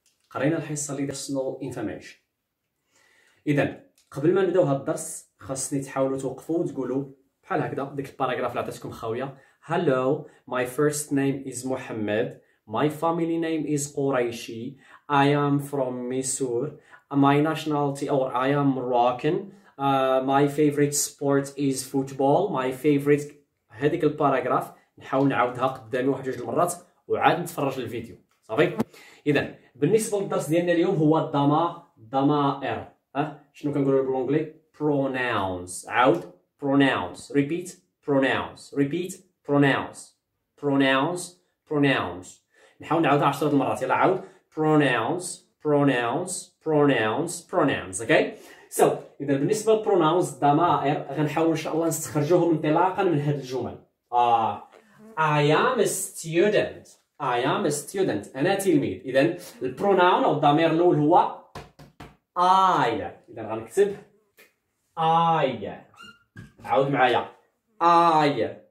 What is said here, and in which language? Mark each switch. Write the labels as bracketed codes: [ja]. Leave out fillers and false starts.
[ar] قرينا الحصة اللي درسنو انفورميشن. إذا قبل ما نبداو هذا الدرس خاصني تحاولوا توقفوا وتقولوا بحال هكذا، ديك الباراغراف اللي عطيتكم خاوية: [en] Hello, my first name is Mohammed, my family name is Qureshi, I am from Mysore. My nationality, or I am Moroccan. My favorite sport is football. My favorite. [ar] هذيك الباراغراف نحاول نعاودها قدامي واحد جوج المرات وعاد نتفرج الفيديو. صافي. اذا بالنسبه للدرس ديالنا اليوم هو الضمائر. شنو كنقولوا بالانجلي؟ pronouns. عاود pronouns. [en] Repeat pronouns. Repeat pronouns. Pronouns. Pronouns. [ar] نحاول نعاودها 10 المرات. يلا عاود pronouns. [en] Pronouns, pronouns, pronouns. Okay. [ar] So, إذا بالنسبة للpronouns ضمائر غنحاول إن شاء الله نستخرجهم انطلاقا من هذه الجمل. [en] I am a student. I am a student. [ar] أنا تلميذ. إذا pronoun أو الضمير الأول هو I. إذا غنكتب I. عاود معايا I.